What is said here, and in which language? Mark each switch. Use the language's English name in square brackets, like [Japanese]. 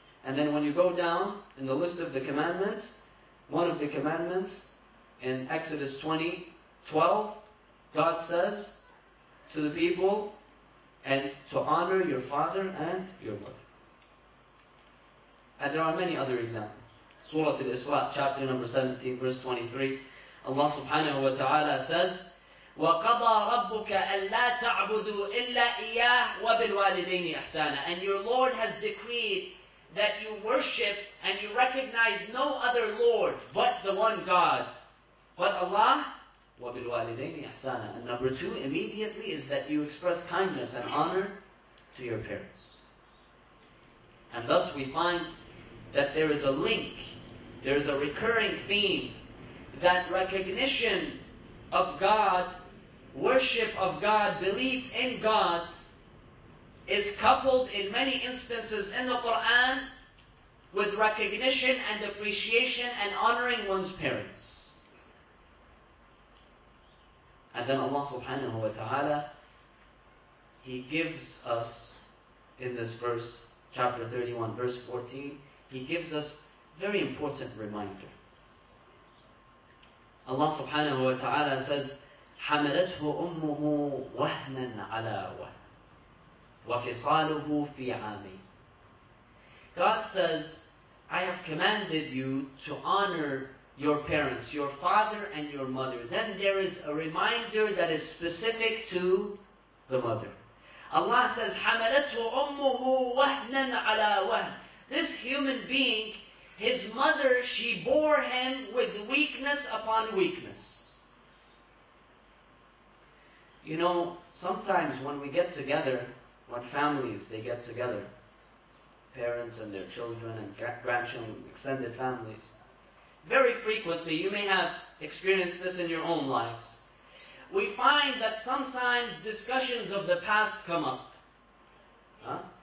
[English] And then when you go down in the list of the commandments, one of the commandments in Exodus 20, 12, God says to the people, and to honor your father and your mother. And there are many other examples. Surah Al-Isra, chapter number 17, verse 23. Allah subhanahu wa ta'ala says, [Arabic] وَقَضَى رَبُّكَ أَلَّا تَعْبُدُوا إِلَّا إِيَّاهُ وَبِالْوَالِدَيْنِ أَحْسَانًا. [English] And your Lord has decreed that you worship and you recognize no other Lord but the one God. But Allah, [Arabic] وَبِالْوَالِدَيْنِ أَحْسَانًا. [English] And number two immediately is that you express kindness and honor to your parents. And thus we find that there is a link, there is a recurring theme, that recognition of God, worship of God, belief in God is coupled in many instances in the Quran with recognition and appreciation and honoring one's parents. And then Allah subhanahu wa ta'ala, He gives us in this verse, chapter 31, verse 14, He gives us a very important reminder. Allah subhanahu wa ta'ala says, [Arabic] حَمَلَتْهُ أُمُّهُ وَهْنًا عَلَىٰ وَهْنًا وَفِصَالُهُ فِي عَامِ. [English] God says, I have commanded you to honor your parents, your father and your mother. Then there is a reminder that is specific to the mother. Allah says, [Arabic] حَمَلَتْهُ أُمُّهُ وَهْنًا عَلَىٰ وَهْنًا. [English] This human being, his mother, she bore him with weakness upon weakness. You know, sometimes when we get together, when families, they get together, parents and their children and grandchildren, extended families, very frequently, you may have experienced this in your own lives, we find that sometimes discussions of the past come up. Huh?